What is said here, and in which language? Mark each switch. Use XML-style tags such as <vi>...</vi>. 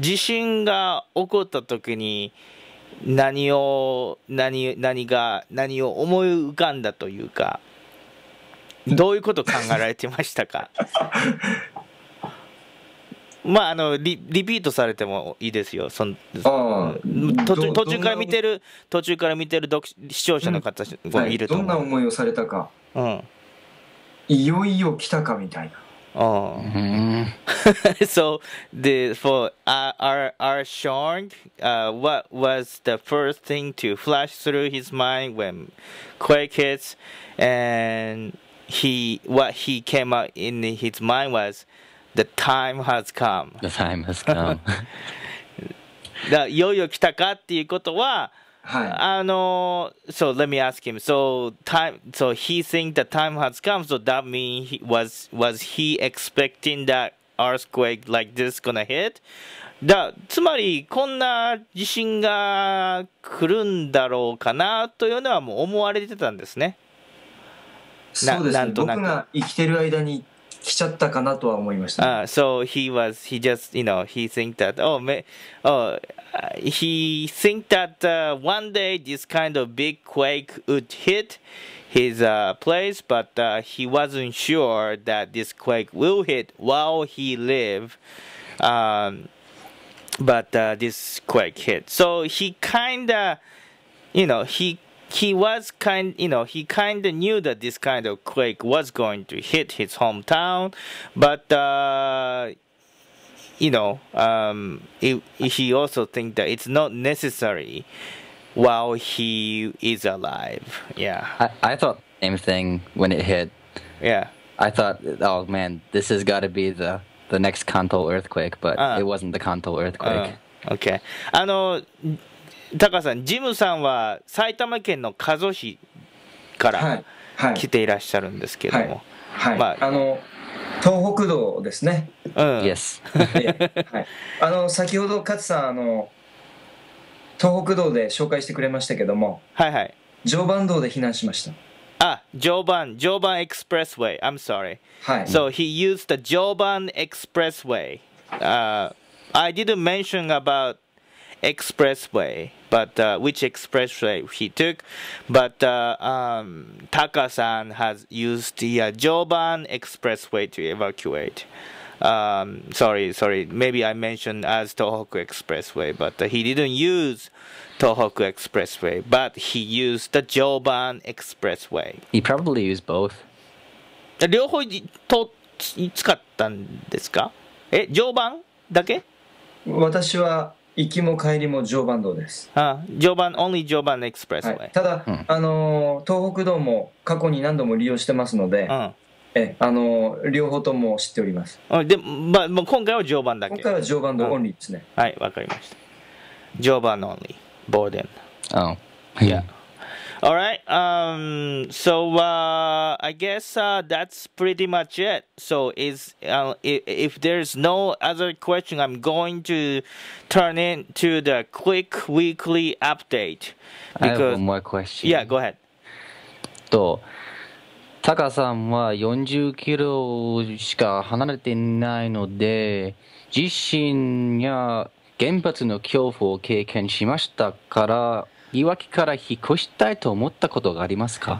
<ja>地震が起こった時に何を思い浮かんだというか、どういうことを考えられてましたか？まあ、リピートされてもいいですよ。途中から見てる視聴者の方もいると思う、はい。どんな思いをされたか。うん、いよいよ来たかみたいな。</ja> <en>So, for our Sean, what was the first thing to flash through his mind when quake hits? And what he came up in his mind was,The time has come. The time has come.</en> <ja>だいよいよ来たかっていうことは、はい、</ja> <en>So let me ask him. So time. So he think the time has come. So that mean he was he expecting that earthquake like this gonna hit?</en> <ja>だ、つまりこんな地震が来るんだろうかなというのはもう思われてたんですね。そうですね。なんとなく僕が生きてる間に来ちゃったかなとは思いました、ね。</ja> <en>So he was, he just, you know, he think that, oh, me, oh, he think that、one day this kind of big quake would hit his、place, but、he wasn't sure that this quake will hit while he live.、But、this quake hit. So he kind of, you know, he was kind, you know, he kind of knew that this kind of quake was going to hit his hometown. But,、you know,、he also think that it's not necessary while he is alive. Yeah. I thought same thing when it hit. Yeah. I thought, oh man, this has got to be the next Kanto earthquake, but it wasn't the Kanto earthquake. Okay.</en> <ja>あの、タカさん、ジムさんは埼玉県の加須市から来ていらっしゃるんですけども。はい。はい。まあ、あの、東北道ですね。</ja> <en>うん。Yes.</en> <ja>あの、先ほど勝さん、あの、東北道で紹介してくれましたけども、はいはい。常磐道で避難しました。</ja> <en>あ、常磐 expressway. I'm sorry.</en> <ja>はい。</ja> <en>So he used the 常磐 expressway. I didn't mention about expressway, but、which expressway he took. But、Taka-san has used the 常磐 expressway to evacuate. Sorry. Maybe I mentioned as Tohoku Expressway, but、he didn't use Tohoku Expressway, but he used the 常磐 Expressway. He probably used both.</en> <ja>両方と使ったんですか？え、常磐だけ？私は行きも帰りも常磐道です。</ja> <en>あ、常磐 only 常磐 Expressway、は</en> <ja>い。ただ、うん、東北道も過去に何度も利用してますので。うん、え、両方とも知っております。あ、で、まあ、もう今回は常磐だけ。今回は常磐道オンリーですね。はい、わかりました。常磐オンリーボーデン。 Oh</ja> <en>yeah. All right. So I guess that's pretty much it. So is if there's no other question, I'm going to turn it to the quick weekly update. Because, I have one more question. Yeah, go ahead.</en> <ja>とタカさんは40キロしか離れていないので、地震や原発の恐怖を経験しましたから、いわきから引っ越したいと思ったことがありますか？</ja>